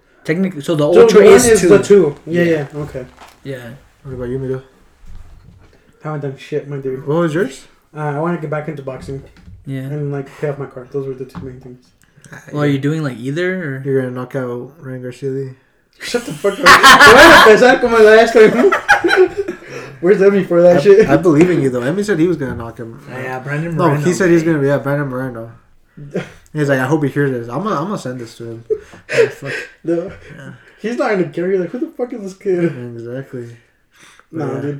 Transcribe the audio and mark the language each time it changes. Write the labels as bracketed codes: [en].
[en] Technically, so the Ultra one is two. The two. Yeah, okay. Yeah. What about you, Mido? I haven't done shit, my dude. What was yours? I want to get back into boxing. Yeah. And, like, pay off my car. Those were the two main things. Well, are you doing, like, either? Or? You're going to knock out Ryan Garcia Lee. Shut the fuck up. [es] Voy a empezar como la esta. [en] Where's Emmy for that shit? I believe in you, though. Emmy said he was going to knock him. Yeah, Brandon Moreno. No, he said he's going to be, Brandon Moreno. He's like, I hope he hears this. I'm gonna send this to him. He's not going to care. He's like, who the fuck is this kid? Exactly. No, yeah.